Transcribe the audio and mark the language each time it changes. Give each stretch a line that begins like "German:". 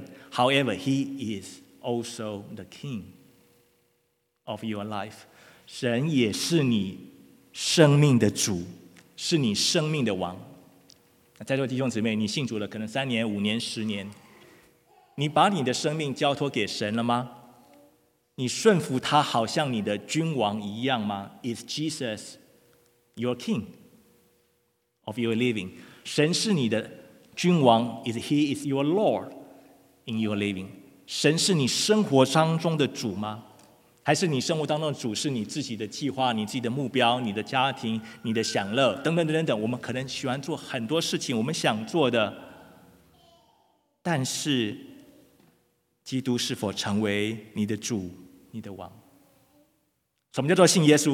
English: However, he is also the king of your life.
Chinese: 神也是你生命的主，是你生命的王。在座弟兄姊妹，你信主了可能三年、五年、十年，你把你的生命交托给神了吗？你顺服他好像你的君王一样吗？
English: Is Jesus your king of your living?
Chinese: 神是你的君王，
English: Is he is your lord in your living?
Chinese: 神是你生活当中的主吗？还是你生活当中的主是你自己的计划、你自己的目标、你的家庭、你的享乐等等等等？我们可能喜欢做很多事情，我们想做的，但是基督是否成为你的主、你的王？什么叫做信耶稣？